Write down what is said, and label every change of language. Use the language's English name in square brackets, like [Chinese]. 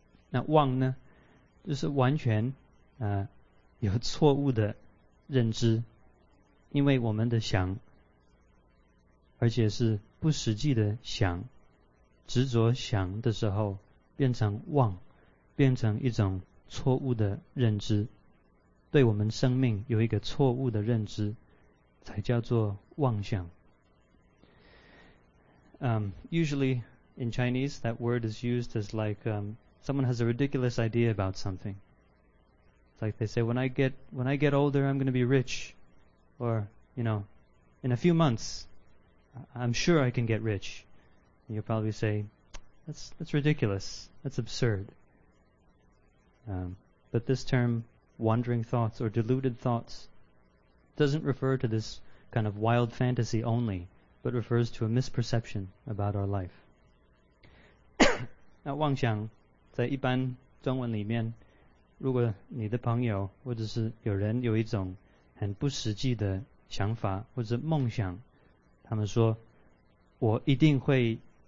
[Chinese] 那妄呢，就是完全有错误的认知，因为我们的想，而且是不实际的想，执着想的时候，变成妄，变成一种错误的认知，对我们生命有一个错误的认知，才叫做妄想。 [English] Usually in Chinese, that word is used as like someone has a ridiculous idea about something. It's like they say, when I get older, I'm going to be rich. Or, you know, in a few months, I'm sure I can get rich. And you'll probably say, that's ridiculous. That's absurd. But this term, wandering thoughts or deluded thoughts, doesn't refer to this kind of wild fantasy only, but refers to a misperception about our life. [Chinese] 那妄想在一般中文里面，如果你的朋友或者是有人有一种很不实际的想法或者梦想，他们说我一定会